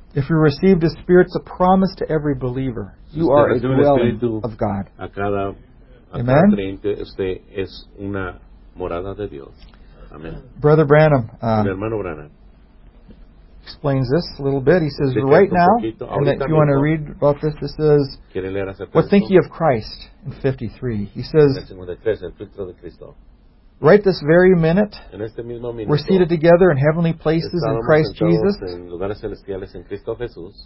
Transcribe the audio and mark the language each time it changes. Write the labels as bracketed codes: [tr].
[en] If you received the Spirit's a promise to every believer, you [es] si [en] are a dwelling of God. [es] A cada, [en] amen? [es] Cada creyente, usted es una morada de Dios. Amen. [en] Brother Branham, [es] Mi hermano Branham, [en] explains this a little bit. He says, right now, and if you want to read about this, this says, what think ye of Christ in 53? He says, right this very minute, we're seated together in heavenly places in Christ Jesus.